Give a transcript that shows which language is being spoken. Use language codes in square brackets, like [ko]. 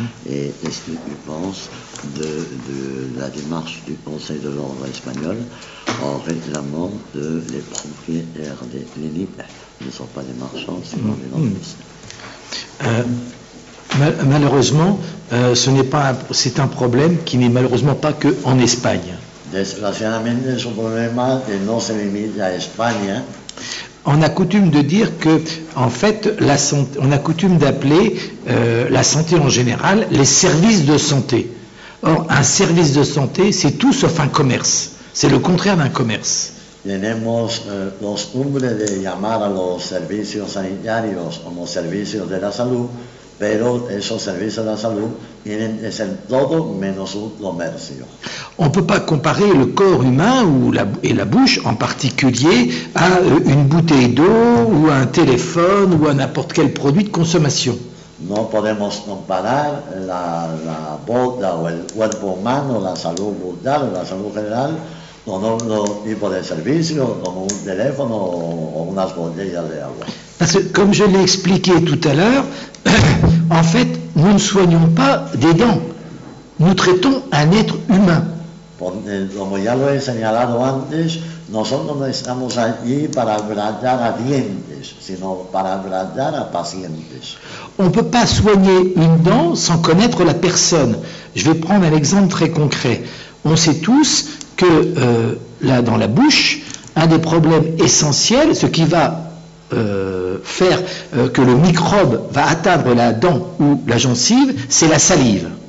[fr] Et est-ce que tu penses de la démarche du Conseil de l'ordre espagnol en réclamant que les propriétaires des libres ne sont pas des marchands, c'est pas des landes. Malheureusement, ce n'est pas c'est un problème qui n'est malheureusement pas que en Espagne. [es] Desgraciadamente es un problema que no se limita a España. [fr] On a coutume de dire que, en fait, la santé, on a coutume d'appeler la santé en général les services de santé. Or, un service de santé, c'est tout sauf un commerce. C'est le contraire d'un commerce. [es] Tenemos costumbre de llamar a los servicios sanitarios como servicios de la salud, pero esos servicios de la salud tienen que ser todo menos un comercio. [fr] On ne peut pas comparer le corps humain ou la bouche en particulier à une bouteille d'eau ou à un téléphone ou à n'importe quel produit de consommation. [es] No podemos comparar la boca o el cuerpo humano, la salud bucal, la salud general, con otro tipo de servicio como un teléfono o unas botellas de agua. [fr] Parce que, comme je l'ai expliqué tout à l'heure, en fait, nous ne soignons pas des dents. Nous traitons un être humain. [es] Como ya lo he señalado antes, nosotros no estamos allí para tratar a dientes, sino para tratar a pacientes. [fr] On ne peut pas soigner une dent sans connaître la personne. Je vais prendre un exemple très concret. On sait tous que là, dans la bouche, un des problèmes essentiels, ce qui va faire que le microbe va atteindre la dent ou la gencive, c'est la salive.